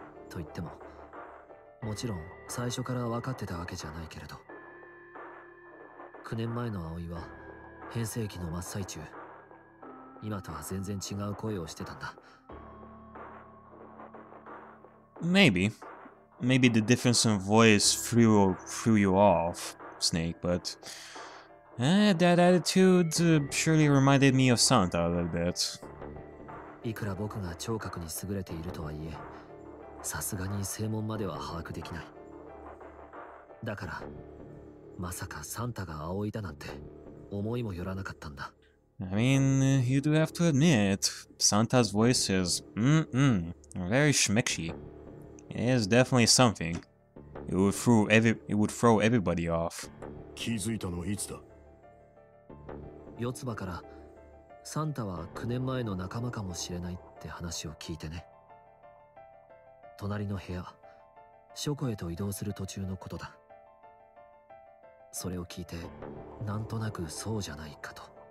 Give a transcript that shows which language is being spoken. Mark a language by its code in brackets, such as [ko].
[ja] と言っても、もちろん最初から分かってたわけじゃないけれど、9年前の葵は変声期の真っ最中、今とは全然違う声をしてたんだ。 [en] Maybe the difference in voice threw you off, Snake. But that attitude surely reminded me of Santa a little bit. [ja] いくら僕が聴覚に優れているとはいえ。さすがに正門までは把握できない。だからまさかサンタが葵だなんて思いもよらなかったんだ。 [en] I mean, you do have to admit, Santa's voice is very schmexy. It is definitely something. It would throw everybody off. [ja] 気づいたのはいつだ。四つ葉からサンタは9年前の仲間かもしれないって話を聞いてね。隣の部屋、書庫へと移動する途中のことだ。それを聞いて、なんとなくそうじゃないかと。